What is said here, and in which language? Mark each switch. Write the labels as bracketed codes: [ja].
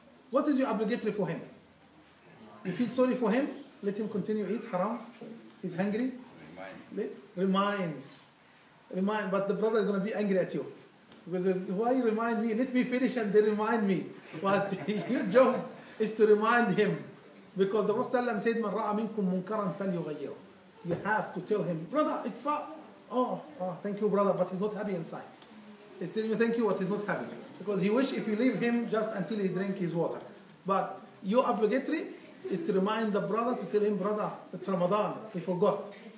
[en] What is your obligatory for him? You feel sorry for him? Let him continue eat haram? He's hungry? Remind, but the brother is going to be angry at you. Because why you remind me? Let me finish and they remind me. But your job is to remind him. Because the Prophet said, [ar] مَنْ رَأَ مِنْكُمْ مُنْكَرًا فَلْيُغَيِّرُ. [en] You have to tell him, brother, it's far. Oh, thank you, brother, but he's not happy inside. He's telling you thank you, but he's not happy. Because he wish if you leave him just until he drink his water. But your obligatory is to remind the brother, to tell him, brother, it's Ramadan, he forgot.